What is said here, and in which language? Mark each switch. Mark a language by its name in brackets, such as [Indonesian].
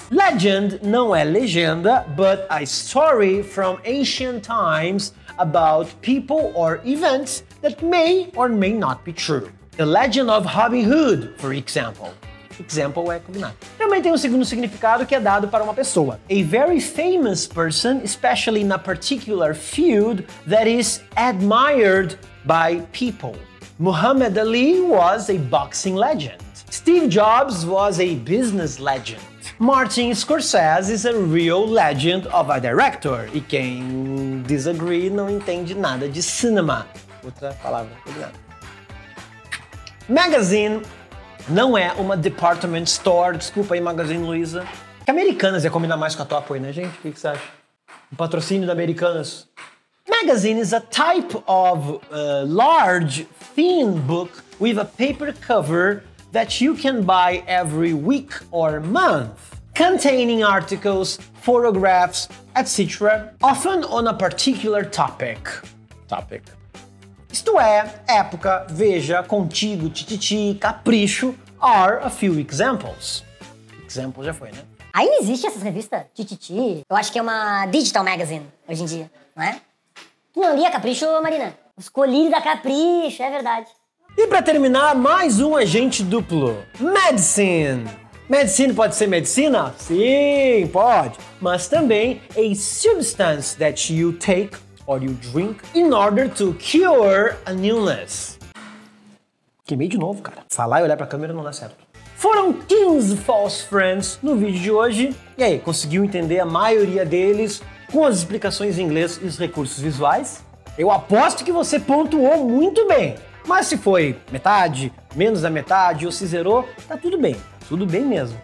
[English] Legend [Portuguese] não é legenda, [English] but a story from ancient times about people or events that may or may not be true. The legend of Robin Hood, for example. Example [Portuguese] é cognata. Também tem um segundo significado que é dado para uma pessoa. [English] A very famous person, especially in a particular field, that is admired by people. Muhammad Ali was a boxing legend. Steve Jobs was a business legend. Martin Scorsese is a real legend of a director. [Portuguese] E quem disagree não entende nada de cinema. Outra palavra. Magazine não é uma department store. Desculpa aí, Magazine Luiza. Que Americanas ia combinar mais com a tua apoio, né, gente? O que você acha? Um patrocínio da Americanas. [English] Magazine is a type of large, thin book with a paper cover that you can buy every week or month, containing articles, photographs, etc., often on a particular topic. Topic. [Portuguese] Isto é, época, veja, contigo, tititi, capricho, [English] are a few examples. [Portuguese] Exemplo já foi, né? Ainda existe essas revistas? Tititi? Eu acho que é uma digital magazine hoje em dia, não é? Tu não lia Capricho, Marina? Escolhi da Capricho, é verdade. E pra terminar, mais um agente duplo. Medicine. Medicine pode ser medicina? Sim, pode. Mas também [English] a substance that you take or you drink in order to cure an illness. [Portuguese] Queimei de novo, cara. Falar e olhar pra câmera não dá certo. Foram 15 false friends no vídeo de hoje. E aí, conseguiu entender a maioria deles com as explicações em inglês e os recursos visuais? Eu aposto que você pontuou muito bem. Mas se foi metade, menos da metade ou se zerou, tá tudo bem. Tudo bem mesmo.